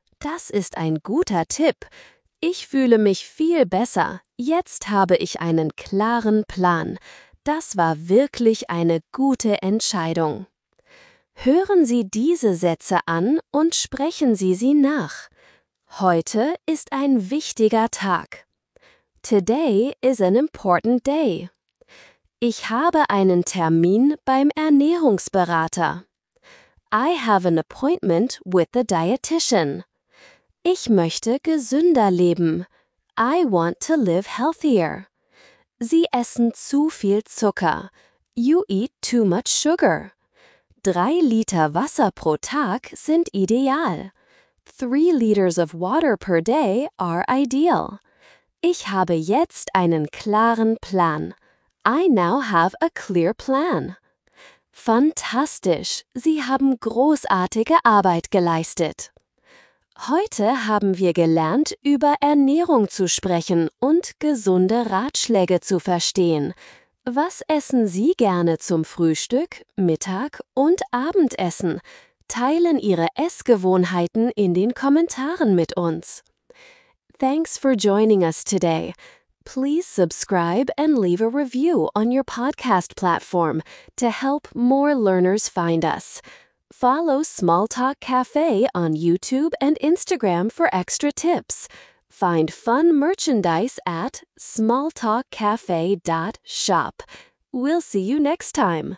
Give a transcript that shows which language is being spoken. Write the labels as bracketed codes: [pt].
[de] Das ist ein guter Tipp. Ich fühle mich viel besser. Jetzt habe ich einen klaren Plan. Das war wirklich eine gute Entscheidung. Hören Sie diese Sätze an und sprechen Sie sie nach. Heute ist ein wichtiger Tag. [en] Today is an important day. [de] Ich habe einen Termin beim Ernährungsberater. [en] I have an appointment with the dietitian. [de] Ich möchte gesünder leben. [en] I want to live healthier. [de] Sie essen zu viel Zucker. [en] You eat too much sugar. [de] 3 Liter Wasser pro Tag sind ideal. [en] 3 liters of water per day are ideal. [de] Ich habe jetzt einen klaren Plan. [en] I now have a clear plan. [de] Fantastisch! Sie haben großartige Arbeit geleistet. Heute haben wir gelernt, über Ernährung zu sprechen und gesunde Ratschläge zu verstehen. Was essen Sie gerne zum Frühstück, Mittag und Abendessen? Teilen Ihre Essgewohnheiten in den Kommentaren mit uns. [en] Thanks for joining us today. please subscribe and leave a review on your podcast platform to help more learners find us. Follow Small Talk Cafe on YouTube and Instagram for extra tips. Find fun merchandise at smalltalkcafe.shop. We'll see you next time.